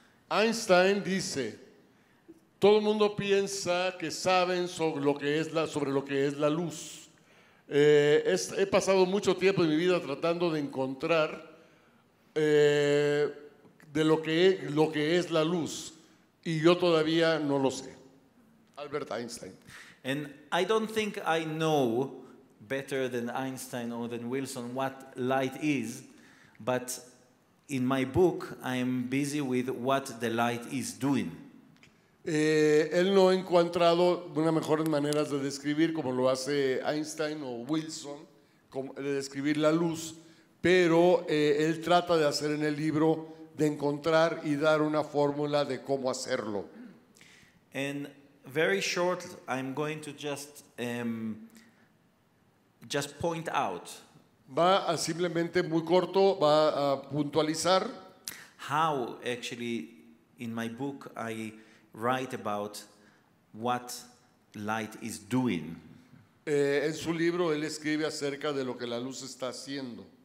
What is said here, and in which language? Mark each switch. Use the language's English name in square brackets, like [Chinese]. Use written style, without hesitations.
[Spanish] Einstein dice, todo el mundo piensa que saben sobre lo que es la luz. He pasado mucho tiempo en mi vida tratando de encontrar de lo que es la luz. Y yo todavía no lo sé. Albert Einstein. [English] And I don't think I know better than Einstein or than Wilson what light is, but in my book I am busy with what the light is doing. [Spanish] Él no ha encontrado una mejor manera de describir como lo hace Einstein o Wilson, de describir la luz, pero él trata de hacer en el libro de encontrar y dar una fórmula de cómo hacerlo. [English] And very short, I'm going to just point out. [Spanish] Va a simplemente muy corto, va a puntualizar. [English] How actually in my book I write about what light is doing. [Spanish] En su libro él escribe acerca de lo que la luz está haciendo.